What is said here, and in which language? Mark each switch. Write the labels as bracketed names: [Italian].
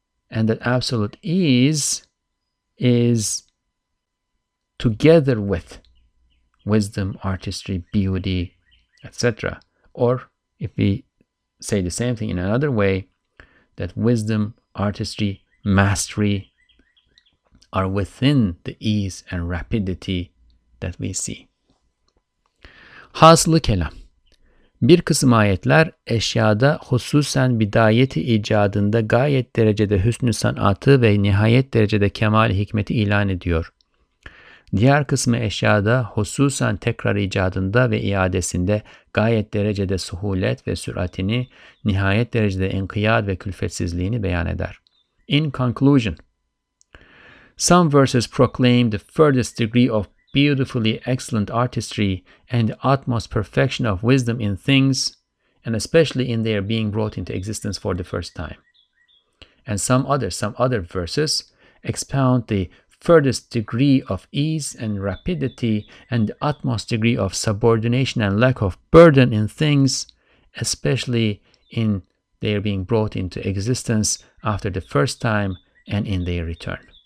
[English] And that absolute ease is together with wisdom, artistry, beauty, etc. Or if we say the same thing in another way, that wisdom, artistry, mastery are within the ease and rapidity that we see. [Turkish] Haslı kelam. Bir kısım ayetler eşyada hususen bidayeti icadında gayet derecede hüsnü sanatı ve nihayet derecede kemal hikmeti ilan ediyor. Diğer kısmı eşyada hususen tekrar icadında ve iadesinde gayet derecede suhulet ve süratini, nihayet derecede inkiyad ve külfetsizliğini beyan eder. [English] In conclusion, some verses proclaim the furthest degree of beautifully excellent artistry and the utmost perfection of wisdom in things, and especially in their being brought into existence for the first time. And some other verses expound the furthest degree of ease and rapidity and the utmost degree of subordination and lack of burden in things, especially in they are being brought into existence after the first time and in their return.